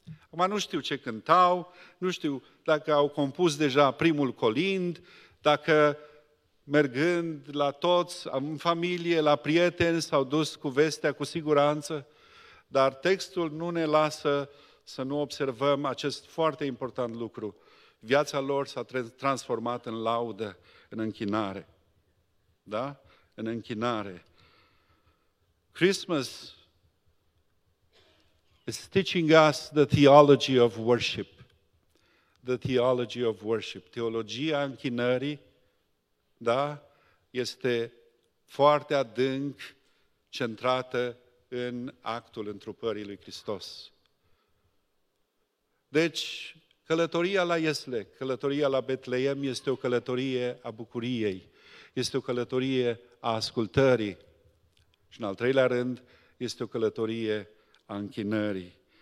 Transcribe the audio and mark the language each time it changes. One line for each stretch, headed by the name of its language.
Romanian: Acum nu știu ce cântau, nu știu dacă au compus deja primul colind, dacă mergând la toți, în familie, la prieteni, s-au dus cu vestea cu siguranță, dar textul nu ne lasă să nu observăm acest foarte important lucru. Viața lor s-a transformat în laudă, în închinare. Da? În închinare.
English: Christmas is teaching us the theology of worship. The theology of worship.
Romanian: Teologia închinării, da? Este foarte adânc centrată în actul întrupării lui Hristos. Deci, călătoria la Iesle, călătoria la Betleem este o călătorie a bucuriei, este o călătorie a ascultării și, în al treilea rând, este o călătorie a închinării.